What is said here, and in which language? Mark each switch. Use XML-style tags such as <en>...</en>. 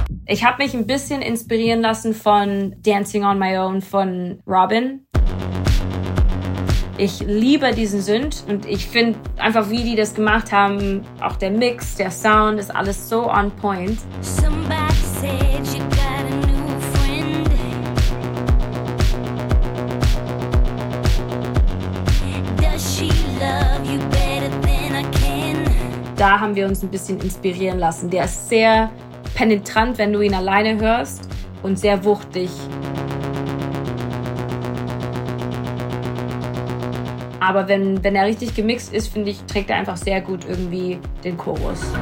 <de>Ich habe mich ein bisschen inspirieren lassen von Dancing on My Own von Robin. Ich liebe diesen Synth und ich finde einfach, wie die das gemacht haben, auch der Mix, der Sound ist alles so</de> <en>on point. Somebody said you got a new friend. Does she love you better than I can?</en> <de>Da haben wir uns ein bisschen inspirieren lassen. Der ist sehr penetrant, wenn du ihn alleine hörst und sehr wuchtig. Aber wenn er richtig gemixt ist, finde ich, trägt er einfach sehr gut irgendwie den Chorus.</de>